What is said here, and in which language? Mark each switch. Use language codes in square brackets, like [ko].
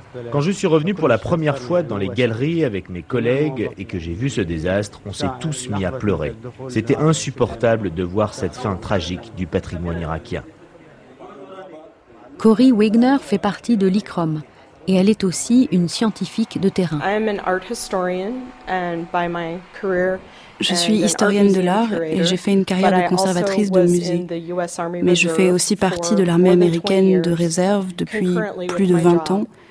[fr] Quand je suis revenu pour la première fois dans les galeries avec mes collègues et que j'ai vu ce désastre, on s'est tous mis à pleurer. C'était insupportable de voir cette fin tragique du patrimoine irakien. Corey Wigner fait partie de l'ICROM, et elle est aussi une scientifique de terrain. [en] I'm an art historian and by my career. [fr] Je suis historienne de l'art et j'ai fait une carrière de conservatrice de musée. Mais je fais aussi partie de l'armée américaine de réserve depuis plus de 20 ans.